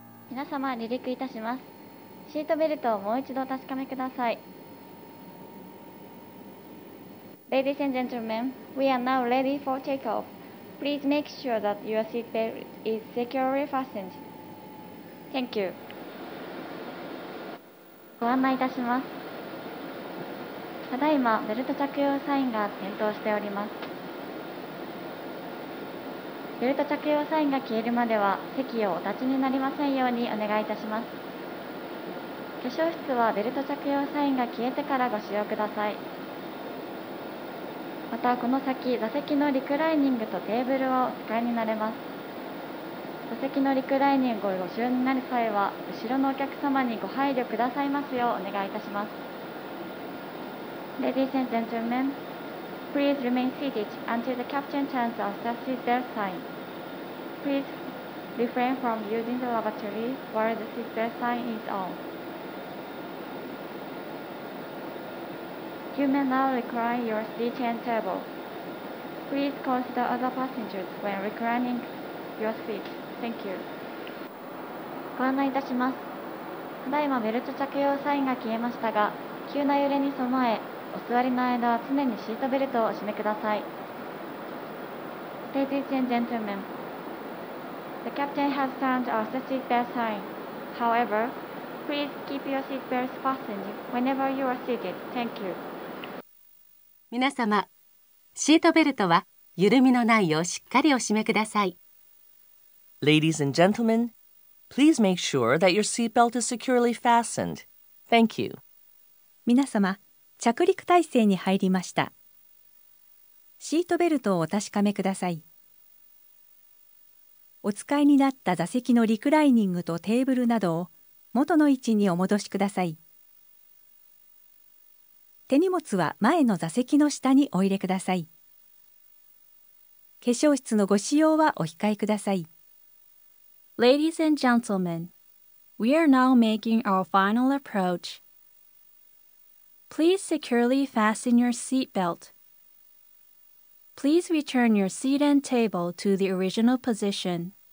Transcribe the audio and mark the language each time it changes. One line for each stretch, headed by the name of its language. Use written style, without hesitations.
Japanese: 皆様、離陸いたします。シートベルトをもう一度お確かめください。
English: Ladies and gentlemen, we are now ready for takeoff. Please make sure that your seat belt is securely fastened. Thank you.
Japanese: ご案内いたします。ただいまベルト着用サインが点灯しております。ベルト着用サインが消えるまでは席をお立ちになりませんようにお願いいたします。化粧室はベルト着用サインが消えてからご使用ください。またこの先、座席のリクライニングとテーブルをお使いになれます。座席のリクライニングをご使用になる際は、後ろのお客様にご配慮くださいますようお願いいたします。
English: Ladies and gentlemenPlease remain seated until the captain turns off the seatbelt sign. Please refrain from using the lavatory while the seatbelt sign is on. You may now recline your seat and table. Please consider other passengers when reclining your seat. Thank you.
Japanese: ご案内いたします。ただいまベルト着用サインが消えましたが、急な揺れに備え、お座りの間は常にシートベルトをお締めください。
English: Ladies and gentlemen, the captain has turned off the seatbelt sign. However, please keep your seatbelts fastened whenever you are seated. Thank you.
Japanese: 皆様、シートベルトは緩みのないようしっかりお締めください。
English: Ladies and gentlemen, please make sure that your seatbelt is securely fastened. Thank you.
Japanese: 皆様、着陸態勢に入りました。シートベルトをお確かめください。お使いになった座席のリクライニングとテーブルなどを元の位置にお戻しください。手荷物は前の座席の下にお入れください。化粧室のご使用はお控えください。
English: Ladies and gentlemen, we are now making our final approach. Please securely fasten your seat belt. Please return your seat and table to the original position.